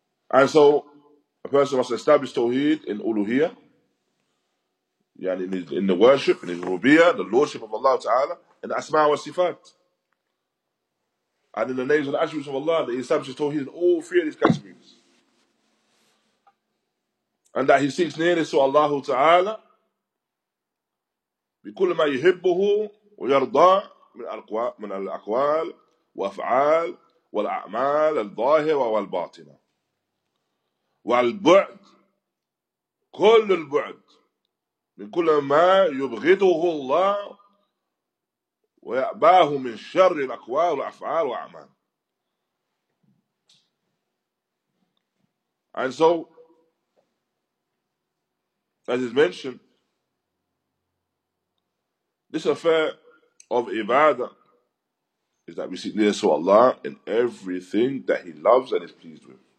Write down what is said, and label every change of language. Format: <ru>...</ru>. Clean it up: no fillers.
<en>And so, a person must establish Tawheed in Uluhiyah, in the worship, in his Rubiyah, the Lordship of Allah Ta'ala, in Asma wa Sifat. And in the names and attributes of Allah, that he establishes Tawheed in all three of these categories. And that he seeks nearness to Allah Ta'ala,</en> <ar>بكل ما يحبه ويرضى من الأقوال وأفعال والأعمال الظاهرة والباطنة والبعد كل البعد من كل ما يبغضه الله ويأباه من شر الأقوال والأفعال والأعمال.</ar> <en>And so, as is mentioned, this affair of ibadah is that we seek nearness to Allah in everything that He loves and is pleased with.</en>